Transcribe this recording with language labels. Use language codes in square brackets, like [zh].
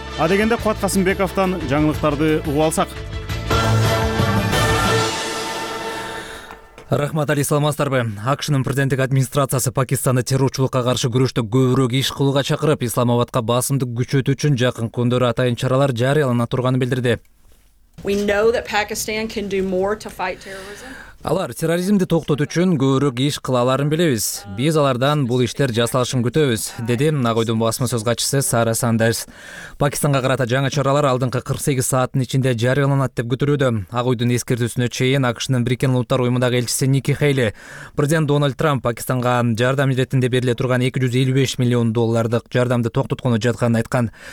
[ky] Адегенде Кубат Касымбековтон жаңылыктарды угуп алсак. Рахмат, Али, саламатсыздарбы. АКШнын президенттик администрациясы Пакистанды террорчулукка каршы күрөштө көбүрөөк иш кылууга чакырып, Исламабадка басымды күчөтүү үчүн жакын күндөрү атайын чаралар жарыялана турганын билдирди. [en] We know that Pakistan can do more to fight terrorism. [ky] Алар терроризмди токтотуу үчүн көбүрөөк иш кылаларын билебиз. Биз алардан бул иштер жасалышын күтөбүз, деди Нагойдун басма сөз катчысы Сара Сандерс. Пакистанга карата жаңы чаралар алдыңкы 48 сааттын ичинде жарыяланат деп күтүлүүдө. Агойдун эскертүүсүнө чейин АКШнын Бириккен Улуттар Уюмундагы элчиси Ники Хейли президент Дональд Трамп Пакистанга жардам иретинде бериле турган $255 миллион жардамды токтоткону жатканын айткан.